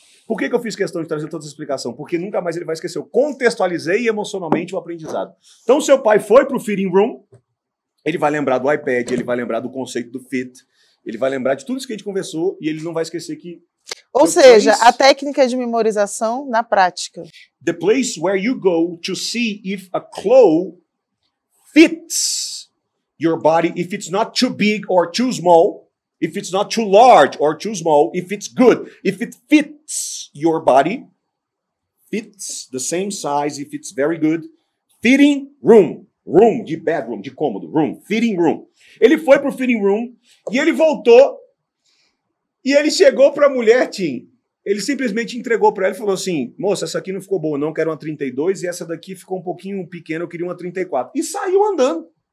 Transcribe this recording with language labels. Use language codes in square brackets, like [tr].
[pt] Por que eu fiz questão de trazer toda essa explicação? Porque nunca mais ele vai esquecer. Eu contextualizei emocionalmente o aprendizado. Então seu pai foi pro fitting room, ele vai lembrar do iPad, ele vai lembrar do conceito do fit, ele vai lembrar de tudo isso que a gente conversou e ele não vai esquecer que... Ou seja, a técnica de memorização na prática. [en] The place where you go to see if a clothes fits your body, if it's not too big or too small, if it's not too large or too small, if it's good, if it fits your body, fits the same size, if it's very good, fitting room. [pt] Room de bedroom, de cômodo, room, fitting room. Ele foi pro fitting room e ele voltou. E ele chegou para a mulher, Tim, ele simplesmente entregou para ela e falou assim, moça, essa aqui não ficou boa, não, quero uma 32, e essa daqui ficou um pouquinho pequena, eu queria uma 34. E saiu andando.